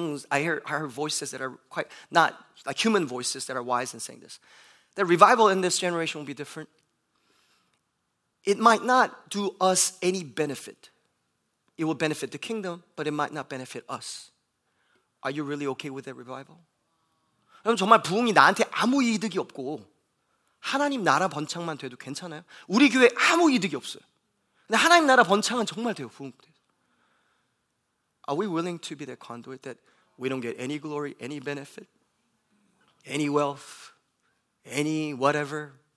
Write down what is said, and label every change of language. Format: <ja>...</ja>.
<en>I heard voices that are quite, not like human voices that are wise in saying this. That revival in this generation will be different. It might not do us any benefit. It will benefit the kingdom, but it might not benefit us. Are you really okay with that revival?</en> <ko>그럼 정말 부흥이 나한테 아무 이득이 없고 하나님 나라 번창만 돼도 괜찮아요? 우리 교회 아무 이득이 없어요. 근데 하나님 나라 번창은 정말 돼요, 부흥 때.</ko> <en>Are we willing to be that conduit that we don't get any glory, any benefit, any wealth, any whatever?</en>